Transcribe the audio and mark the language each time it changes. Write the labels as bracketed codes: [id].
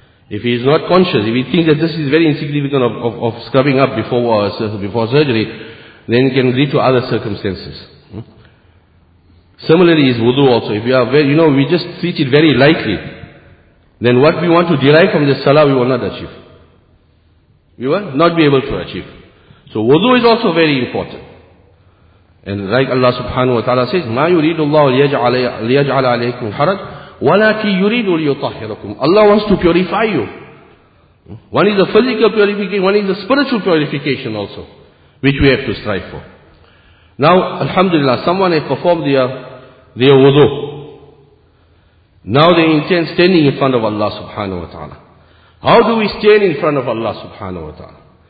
[en] If he's not conscious, if he thinks that this is very insignificant of scrubbing up before surgery, then it can lead to other circumstances. Similarly is wudu also. If we are very, you know, we just treat it very lightly, then what we want to derive from this salah, we will not achieve. We will not be able to achieve. So wudu is also very important. And like Allah subhanahu wa ta'ala says, [ar] مَا يُرِيدُ اللَّهُ لِيَجْعَلَ عَلَيْكُمْ حَرَجٌ وَلَكِ يُرِيدُ لِيُطَحِّرَكُمْ. [en] Allah wants to purify you. One is the physical purification, one is the spiritual purification also, which we have to strive for. Now, alhamdulillah, someone has performed their wudu. Now they intend standing in front of Allah subhanahu wa ta'ala. How do we stand in front of Allah subhanahu wa ta'ala?